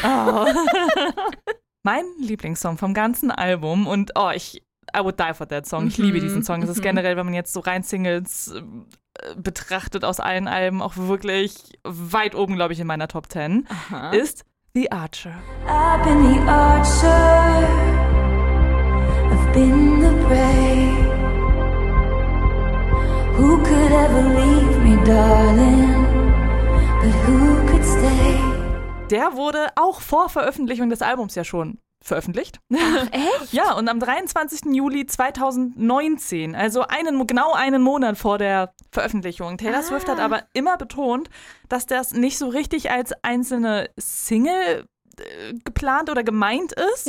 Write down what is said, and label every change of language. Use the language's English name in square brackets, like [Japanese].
[German] Oh. Mein Lieblingssong vom ganzen Album und [English] I would die for that song. [German] Ich liebe diesen Song. Es ist generell, wenn man jetzt so rein Singles betrachtet aus allen Alben, auch wirklich weit oben, glaube ich, in meiner Top 10, ist The Archer. [English] I've been the archer, I've been the prey. Who could ever leave me, darling? But who could stay? [German] Der wurde auch vor Veröffentlichung des Albums ja schon veröffentlicht. Ach, echt? Ja, und am 23. Juli 2019, also genau einen Monat vor der Veröffentlichung. Taylor Swift hat aber immer betont, dass das nicht so richtig als einzelne Single geplant oder gemeint ist.